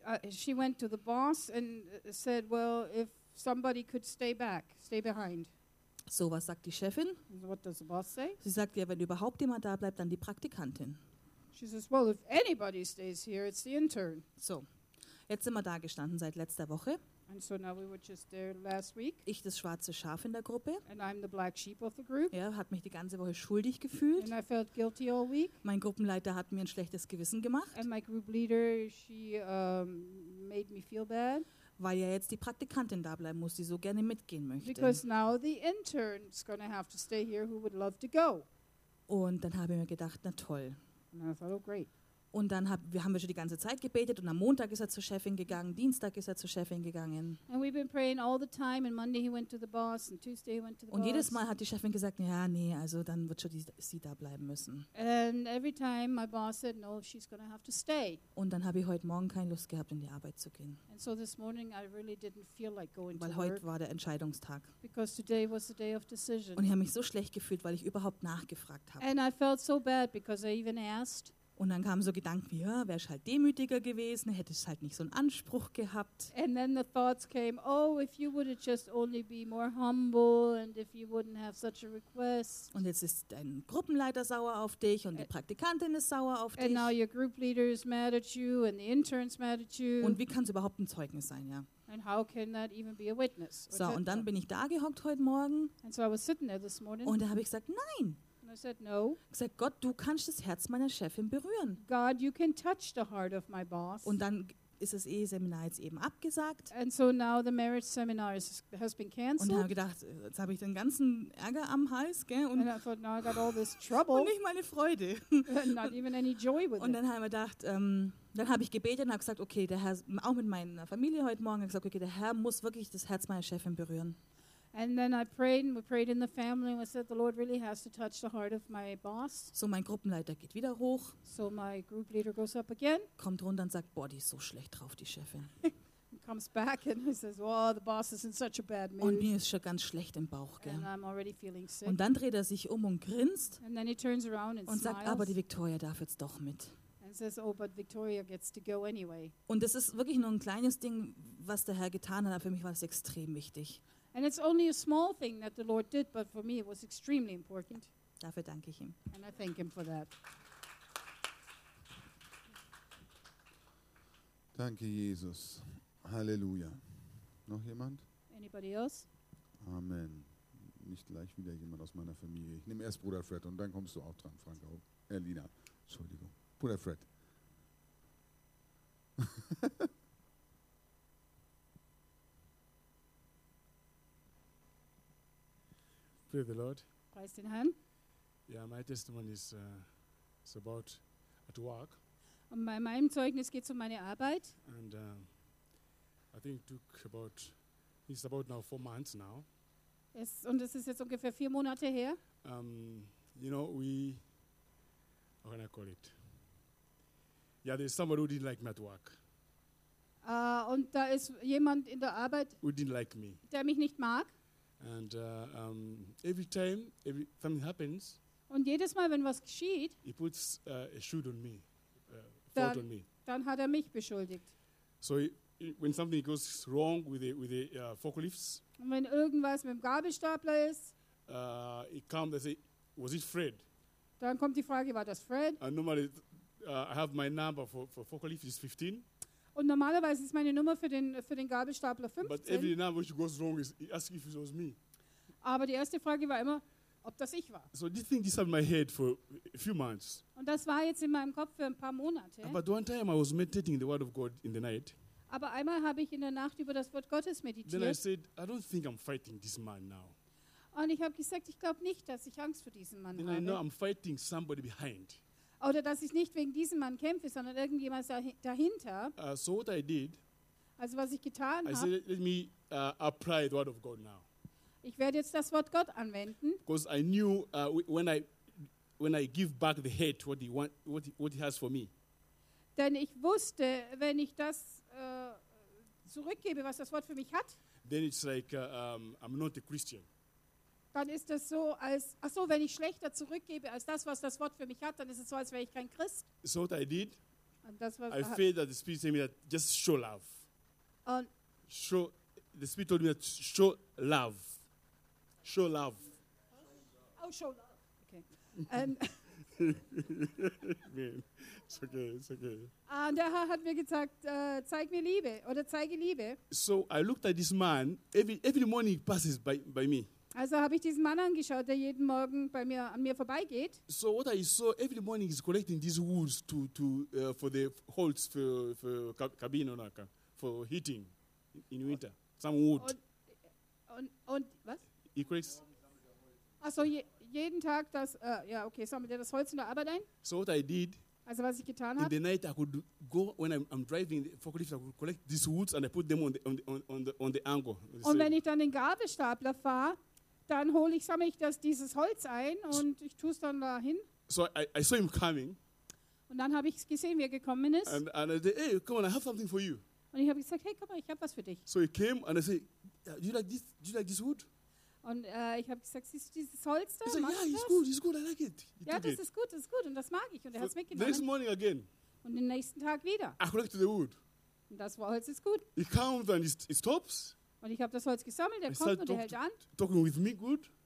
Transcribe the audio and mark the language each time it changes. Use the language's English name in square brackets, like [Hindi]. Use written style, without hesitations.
[English] She went to the boss and said, well, if somebody could stay back, stay behind. [German] So, was sagt die Chefin? [English] What does the boss say? [German] Sie sagt, ja, wenn überhaupt jemand da bleibt, dann die Praktikantin. [English] She says, well, if anybody stays here, it's the intern. [German] So, jetzt sind wir da gestanden seit letzter Woche. [English] And so now we were just there last week. [German] Ich das schwarze Schaf in der Gruppe. [English] And I'm the black sheep of the group. [German] Ja, hat mich die ganze Woche schuldig gefühlt. [English] And I felt guilty all week. [German] Mein Gruppenleiter hat mir ein schlechtes Gewissen gemacht. [English] And my group leader, she made me feel bad. [German] Weil ja jetzt die Praktikantin da bleiben muss, die so gerne mitgehen möchte. [English] Because now the intern is going to have to stay here, who would love to go. [German] Und dann habe ich mir gedacht, na toll. [English] And I thought, oh great. [German] Und dann haben wir schon die ganze Zeit gebetet und am Montag ist er zur Chefin gegangen, Dienstag ist er zur Chefin gegangen. [English] And we've been praying all the time, and Monday he went to the boss, and Tuesday he went to the boss. [German] Und jedes Mal hat die Chefin gesagt, ja, nee, also dann wird schon sie da bleiben müssen. [English] And every time my boss said, no, she's going to have to stay. [German] Und dann habe ich heute Morgen keine Lust gehabt, in die Arbeit zu gehen. [English] And so this morning I really didn't feel like going to work. [German] Weil heute war der Entscheidungstag. [English] Because today was the day of decision. [German] Und ich habe mich so schlecht gefühlt, weil ich überhaupt nachgefragt habe. [English] And I felt so bad, because I even asked. [German] Und dann kamen so Gedanken wie, ja, wäre ich halt demütiger gewesen, hätte ich halt nicht so einen Anspruch gehabt. [English] And then the thoughts came, oh, if you would have just only be more humble and if you wouldn't have such a request. [German] Und jetzt ist dein Gruppenleiter sauer auf dich und die Praktikantin ist sauer auf dich. [English] And now your group leader is mad at you and the intern's mad at you. [German] Und wie kann es überhaupt ein Zeugnis sein, ja? [English] And how can that even be a witness? [German] So, und dann bin ich da gehockt heute Morgen. [English] And so I was sitting there this morning. [German] Und da habe ich gesagt, nein. [English] I said no. [German] Ich sag Gott, du kannst das Herz meiner Chefin berühren. [English] God, you can touch the heart of my boss. [German] Und dann ist das Eheseminar jetzt eben abgesagt. [English] And so now the marriage seminar has been canceled. [German] Und habe gedacht, jetzt habe ich den ganzen Ärger am Hals, gell? [English] And I thought, now I got all this trouble. [German] Und nicht meine Freude. [English] Not even any joy with it. [German] Und dann habe ich gedacht, dann habe ich gebetet und habe gesagt, okay, der Herr, auch mit meiner Familie heute Morgen, gesagt, okay, der Herr muss wirklich das Herz meiner Chefin berühren. [English] And then I prayed, and we prayed in the family, and we said, the Lord really has to touch the heart of my boss. [German] So mein Gruppenleiter geht wieder hoch. [English] So my group leader goes up again. [German] Kommt runter und sagt, boah, die ist so schlecht drauf, die Chefin. [English] He comes back and he says, wow, the boss is in such a bad mood. [German] Und mir ist schon ganz schlecht im Bauch, gell? [English] And I'm already feeling sick. [German] Und dann dreht sich um und grinst. [English] And then he turns around and [German] und [English] smiles. [German] Sagt, aber die Victoria darf jetzt doch mit. [English] And says, oh, but Victoria gets to go anyway. [German] Und das ist wirklich nur ein kleines Ding, was der Herr getan hat, aber für mich war das extrem wichtig. [English] And it's only a small thing that the Lord did, but for me it was extremely important. [German] Dafür danke ich ihm. [English] And I thank him for that. [German] Danke, Jesus. Halleluja. Noch jemand? [English] Anybody else? [German] Amen. Nicht gleich wieder jemand aus meiner Familie. Ich nehme erst Bruder Fred und dann kommst du auch dran, Franco. Lina. Entschuldigung. Bruder Fred. [English] Praise the Lord. Praise the Lord. Yeah, my testimony is it's about at work. [German] Und bei meinem Zeugnis geht's um meine Arbeit. [English] And I think it took about it's about now 4 months now. [German] Es und es ist jetzt ungefähr 4 Monate her. [English] You know, we how can I call it? Yeah, there's somebody who didn't like me at work. [German] Und da ist jemand in der Arbeit. [English] Who didn't like me? [German] Der mich nicht mag. [English] And every time every something happens, [German] und jedes Mal, wenn was geschieht, [English] he puts a shoot on me, fault on me. [German] Dann hat mich beschuldigt. [English] So when something goes wrong with the forklifts, [German] und wenn irgendwas mit dem Gabelstapler ist, [English] he comes and say, was it Fred? [German] Dann kommt die Frage, war das Fred? [English] And normally, I have my number for forklift is 15. [German] Und normalerweise ist meine Nummer für den Gabelstapler 15. [English] But every number which goes wrong is asking if it was me. [German] Aber die erste Frage war immer, ob das ich war. [English] So this thing is in my head for a few months. [German] Und das war jetzt in meinem Kopf für ein paar Monate. [English] But one time I was meditating the word of God in the night. [German] Aber einmal habe ich in der Nacht über das Wort Gottes meditiert. [English] Then I said, I don't think I'm fighting this man now. [German] Und ich habe gesagt, ich glaube nicht, dass ich Angst vor diesem Mann [English] then [German] habe. [English] I know I'm fighting somebody behind. [German] Oder dass ich nicht wegen diesem Mann kämpfe, sondern irgendjemand dahinter. [English] So what I did, [German] also was ich getan habe, [English] let me apply the word of God now. [German] Ich werde jetzt das Wort Gott anwenden. [English] Because I knew when I give back the head what he want, what he has for me. [German] Denn ich wusste, wenn ich das zurückgebe, was das Wort für mich hat. [English] Then it's like I'm not a Christian. [German] Dann ist das so als ach so, wenn ich schlechter zurückgebe als das, was das Wort für mich hat, dann ist es so, als wäre ich kein Christ. [English] So what I did. [German] Und das was [English] I feel that the Spirit told me that just show love. [German] Und [English] show the Spirit told me that show love. Show love. Oh, show love. Okay. It's okay. [German] Und der Herr hat mir gesagt, zeig mir Liebe oder zeige Liebe. [English] So I looked at this man. Every morning he passes by me. [German] Also habe ich diesen Mann angeschaut, der jeden Morgen bei mir an mir vorbeigeht. [English] So what I saw every morning is collecting these woods to for the holes for cabin or like for heating in winter. Some wood. [German] Und was? [English] Equals. [German] Also jeden Tag das ja okay sammelt so er das Holz in der Arbeit ein. [English] So what I did. [German] Also was ich getan habe. [English] In the night I could go when I'm driving the forklift I could collect these woods and I put them on the angle. Und say. [German] Wenn ich dann den Gabelstapler fahre, dann hole ich sammle ich das dieses Holz ein und ich tue es dann dahin. [English] So I saw him coming. [German] Und dann habe ich gesehen, wie er gekommen ist. [English] And I said, hey, come on, I have something for you. [German] Und ich habe gesagt, hey, komm mal, ich habe was für dich. [English] So he came and I said, yeah, do you like this wood? [German] Und ich habe gesagt, siehst du dieses Holz da? [English] Ja, it's good, I like it. [German] Das ist gut und das mag ich und er hat es mitgenommen. [English] Next morning again. [German] Und den nächsten Tag wieder. [English] I collected the wood. [German] Und das Holz ist gut. [English] He comes and he stops. [German] Und ich habe das Holz gesammelt, er kommt und er hält an. [English] Talking with me good.